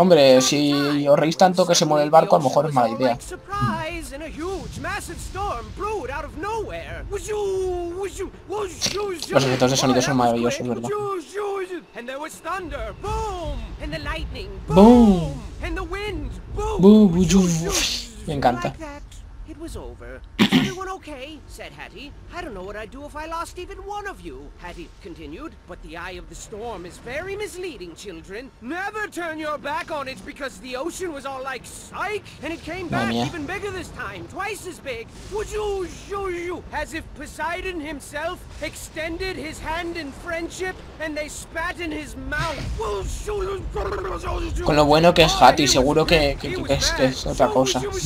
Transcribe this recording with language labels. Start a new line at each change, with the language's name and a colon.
Spanish: Hombre, si os reís tanto que se muere el barco, a lo mejor es mala idea.
English: Surprise and a huge massive storm brewed out of nowhere.
Spanish: Los efectos de sonido son maravillosos, ¿verdad?
English: And there was thunder, boom, and the lightning, boom, and the wind, boom, boom.
Spanish: Me encanta.
English: It was over. Everyone okay? Said Hattie. I don't know what I'd do if I lost even one of you. Hattie continued, but the eye of the storm is very misleading, children. Never turn your back on it because the ocean was all like psych, and it came back even bigger this time, twice as big. As if Poseidon himself extended his hand in friendship and they spat in his mouth.
Spanish: Con lo bueno que es Hattie, seguro que es otra cosa.